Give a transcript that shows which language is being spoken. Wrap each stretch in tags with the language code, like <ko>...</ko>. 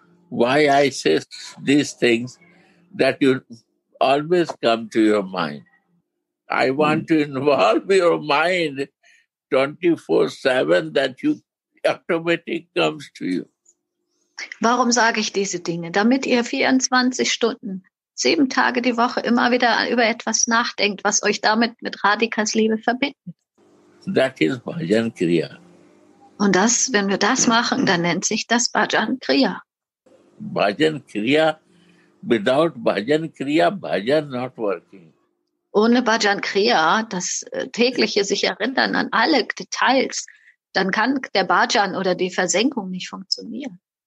<en>Why I say these things that you always come to your mind? I want to involve your mind 24/7 that you automatic comes to you.</en> <de>Warum sage ich diese Dinge? Damit ihr 24 Stunden, 7 Tage die Woche immer wieder über etwas nachdenkt, was euch damit mit Radhikas Liebe verbindet.</de> <en>That is Bhajan Kriya.</en> <de>Und das, wenn wir das machen, dann nennt sich das Bhajan Kriya.</de> <en>Bhajan Kriya, without Bhajan Kriya, Bhajan not working.</en> <de>Ohne Bhajan Kriya, das tägliche sich erinnern an alle Details, dann kann der Bhajan oder die Versenkung nicht funktionieren.</de>